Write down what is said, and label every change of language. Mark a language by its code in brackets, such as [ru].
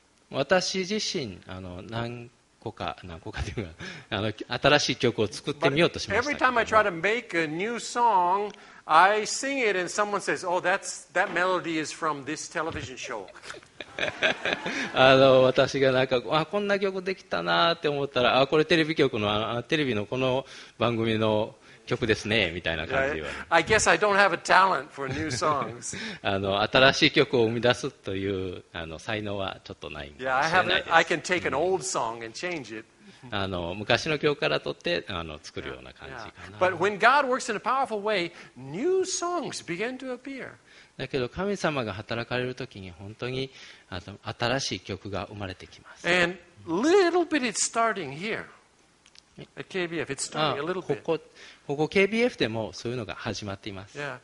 [ja] 私自身何個かというか新しい曲を作ってみようとしましたけど。 [en] But every time I try to make a new song, I sing it and someone says, oh, that melody is from this television show. [ja] 私がなんかあこんな曲できたなって思ったらあこれテレビ局のテレビのこの番組の曲ですねみたいな感じは。 [en] I guess I don't have a talent for new songs. [ja] 新しい曲を生み出すという才能はちょっとないかもしれないです。 [en] Yeah, I can take an old song and change it. [ja] 昔の曲から取って作るような感じかな。 [en] But when God works in a powerful way, new songs begin to appear. [ja] だけど神様が働かれるときに本当に新しい曲が生まれてきます。 [en] And little bit it's starting here. KBF, it's starting a little bit. [ja] ここ KBF でもそういうのが始まっています。